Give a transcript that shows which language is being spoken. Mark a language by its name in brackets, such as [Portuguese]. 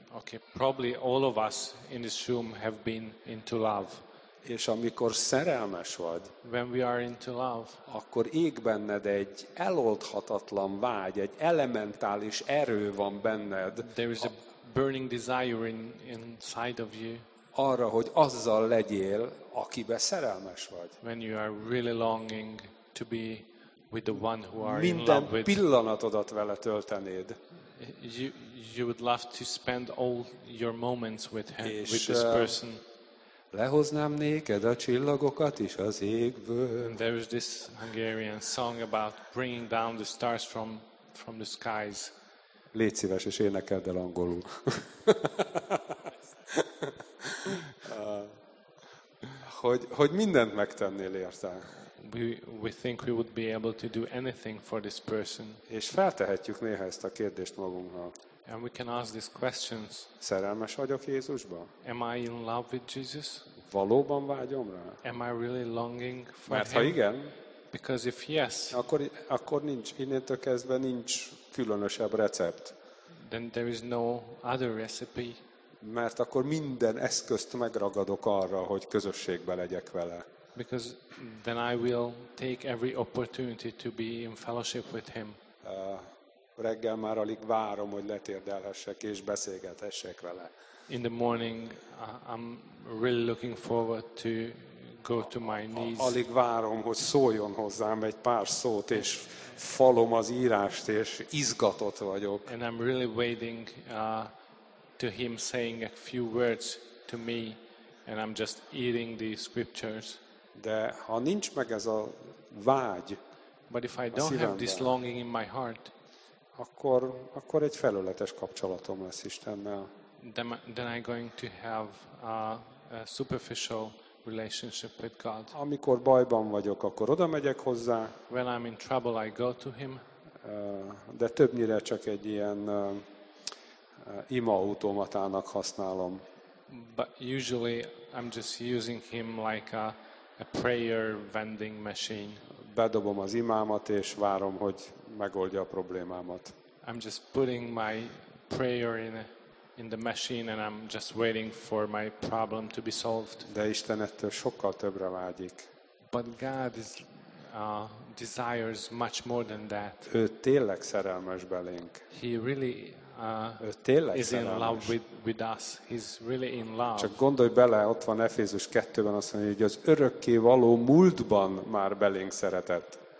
[English] Okay, probably all of us in this room have been into love. [Hungarian] És amikor szerelmes vagy, [English] when we are into love, [Hungarian] akkor ég benned egy eloldhatatlan vágy, egy elementális erő van benned. [English] There is a burning desire inside of you. [Hungarian] Arra, hogy azzal legyél, akibe szerelmes vagy. [English] When you are really longing to be with the one who are [Hungarian] minden [English] in love with, [Hungarian] pillanatodat vele töltenéd. [English] You would love to spend all your moments with him, [Hungarian] és, [English] with this person. [Hungarian] Lehoznám néked a csillagokat is az égből. [English] And there is this Hungarian song about bringing down the stars from the skies. [Hungarian] Légy szíves, és énekeld el angolul. hogy mindent megtennél érte. [English] We think we would be able to do anything for this person. [Hungarian] És feltehetjük néha ezt a kérdést magunknak. [English] And we can ask these questions. [Hungarian] Szerelmes vagyok Jézusba? [English] Am I in love with Jesus? [Hungarian] Valóban vágyom rá? [English] Am I really longing for [Hungarian] Mert [English] him? [Hungarian] Ha igen, [English] because if yes, [Hungarian] akkor nincs, innentől kezdve nincs különösebb recept. [English] Then there is no other recipe. [Hungarian] Mert akkor minden eszközt megragadok arra, hogy közösségbe legyek vele. [English] Because then I will take every opportunity to be in fellowship with him. [Hungarian] Reggel már alig várom, hogy letérdelhessek és beszélgethessek vele. [English] In the morning I'm really looking forward to go to my knees. [Hungarian] Alig várom, hogy szóljon hozzám egy pár szót, és falom az írást, és izgatott vagyok. [English] And I'm really waiting to him saying a few words to me, and I'm just eating the scriptures. [Hungarian] De ha nincs meg ez a vágy, [English] but if I don't have this longing in my heart, [Hungarian] akkor egy felületes kapcsolatom lesz Istennel. [English] Then I'm going to have a superficial relationship with God. [Hungarian] Amikor bajban vagyok, akkor oda megyek hozzá. [English] When I'm in trouble, I go to him. [Hungarian] De többnyire csak egy ilyen ima automatának használom. [English] But usually I'm just using him like a prayer vending machine. [Hungarian] Bedobom az imámat és várom, hogy megoldja a problémámat. [English] I'm just putting my prayer in the machine and I'm just waiting for my problem to be solved. [Hungarian] De Isten ettől sokkal többre vágyik. [English] But God is desires much more than that. [Hungarian] Ő tényleg szerelmes belénk. [English] He really is in love with us. He's really in love. [Hungarian] Csak gondolj bele, ott van Efézus 2-ben, azt mondja, hogy az örökké való múltban már belénk szeretett.